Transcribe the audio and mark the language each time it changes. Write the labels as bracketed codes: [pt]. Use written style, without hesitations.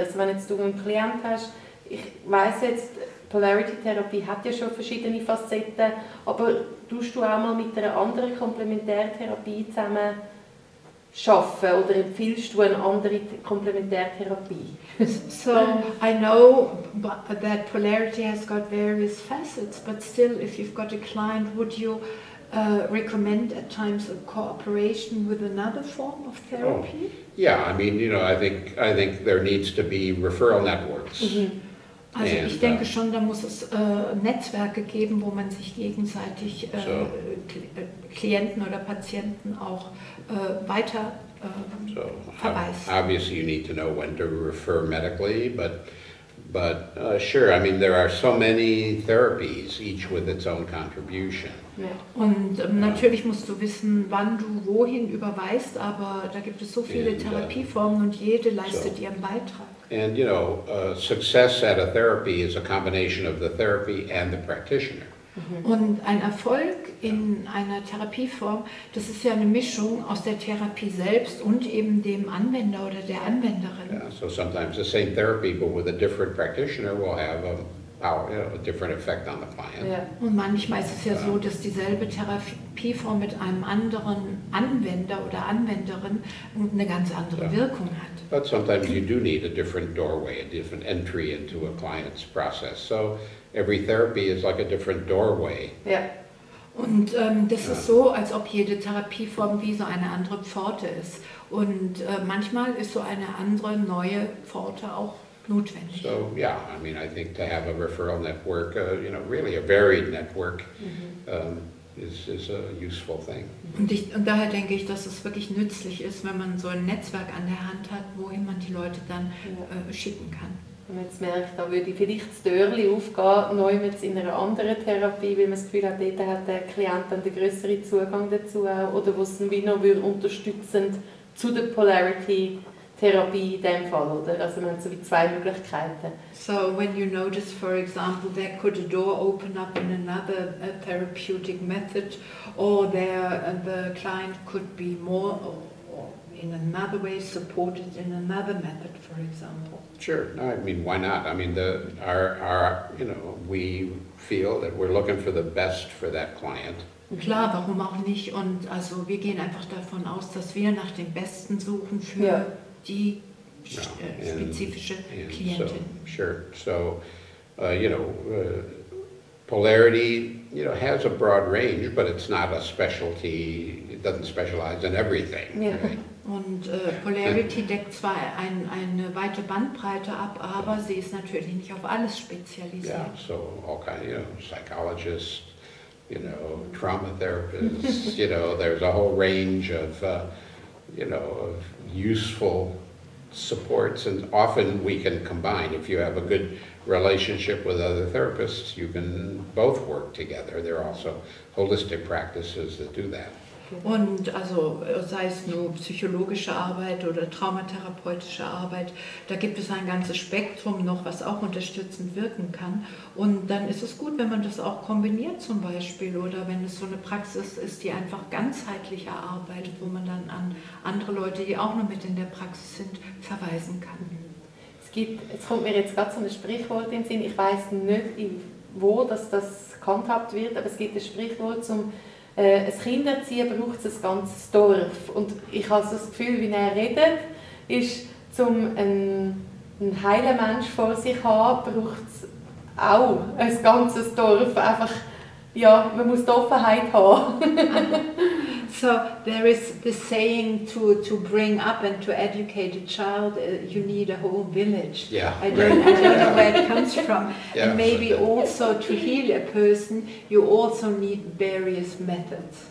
[de] Also wenn jetzt du einen Klient hast, ich weiss jetzt, Polarity-Therapie hat ja schon verschiedene Facetten, aber tust du auch mal mit einer anderen Komplementärtherapie zusammen schaffen oder empfiehlst du eine andere Komplementärtherapie? [en] So, I know that Polarity has got various facets, but still, if you've got a client, would you recommend at times a cooperation with another form of therapy? Oh, yeah, I mean, you know, I think there needs to be referral networks. Mm-hmm. [de] Also ich denke schon, da muss es Netzwerke geben, wo man sich gegenseitig Klienten oder Patienten auch weiter verweist. [en] Obviously you need to know when to refer medically, but sure, I mean there are so many therapies, each with its own contribution. [de] Und natürlich musst du wissen, wann du wohin überweist, aber da gibt es so viele Therapieformen und jede leistet ihren Beitrag. [en] And you know, success at a therapy is a combination of the therapy and the practitioner. Mm-hmm. [de] Und ein Erfolg in einer Therapieform, das ist ja eine Mischung aus der Therapie selbst und eben dem Anwender oder der Anwenderin. [en] Yeah, so sometimes the same therapy but with a different practitioner will have a power, you know, a different effect on the client. Yeah. [de] Und manchmal ist es ja so, dass dieselbe Therapieform mit einem anderen Anwender oder Anwenderin eine ganz andere Wirkung hat. [en] But sometimes you do need a different doorway, a different entry into a client's process. So every therapy is like a different doorway. Yeah. [de] Und das ist so, als ob jede Therapieform wie so eine andere Pforte ist. Und manchmal ist so eine andere, neue Pforte auch notwendig. [en] So, yeah, I mean, I think to have a referral network, you know, really a varied network, is a useful thing. [de] Und daher denke ich, dass es wirklich nützlich ist, wenn man so ein Netzwerk an der Hand hat, wohin man die Leute dann schicken kann. Wenn man jetzt merkt, da würde ich vielleicht das Türchen aufgehen, neu mit einer anderen Therapie, weil man das Gefühl hat, dort hat der Klient dann den größeren Zugang dazu, oder wo es ihn wie noch unterstützend zu der Polarity Therapie in dem Fall, oder? Also man hat so wie zwei Möglichkeiten. [en] So, when you notice, for example, there could a door open up in another therapeutic method, or there the client could be more or in another way supported in another method, for example. Sure. No, I mean, why not? I mean, our you know, we feel that we're looking for the best for that client. [de] Klar, warum auch nicht? Und also wir gehen einfach davon aus, dass wir nach dem Besten suchen für spezifische Klientin. [en] So, sure. So, you know, Polarity, you know, has a broad range, but it's not a specialty, it doesn't specialize in everything. Yeah. Right? [de] Und Polarity deckt zwar eine weite Bandbreite ab, aber sie ist natürlich nicht auf alles spezialisiert. [en] Yeah, so all kinds, you know, psychologists, you know, trauma therapists, you know, there's a whole range of, you know, of useful supports, and often we can combine. If you have a good relationship with other therapists, you can both work together. There are also holistic practices that do that. [de] Und also sei es nur psychologische Arbeit oder traumatherapeutische Arbeit, da gibt es ein ganzes Spektrum noch, was auch unterstützend wirken kann. Und dann ist es gut, wenn man das auch kombiniert zum Beispiel, oder wenn es so eine Praxis ist, die einfach ganzheitlicher arbeitet, wo man dann an andere Leute, die auch noch mit in der Praxis sind, verweisen kann. Es kommt mir jetzt gerade so ein Sprichwort in den Sinn. Ich weiß nicht, wo das gehandhabt wird, aber es gibt ein Sprichwort zum ein Kinderziehen braucht ein ganzes Dorf. Und ich habe das Gefühl, wie er redet, ist, um einen heilen Mensch vor sich zu haben, braucht es auch ein ganzes Dorf. Einfach, ja, man muss die Offenheit haben. [en] So, there is the saying to bring up and to educate a child, you need a whole village. Yeah. I don't know where it comes from. Yeah, and maybe so also to heal a person, you also need various methods.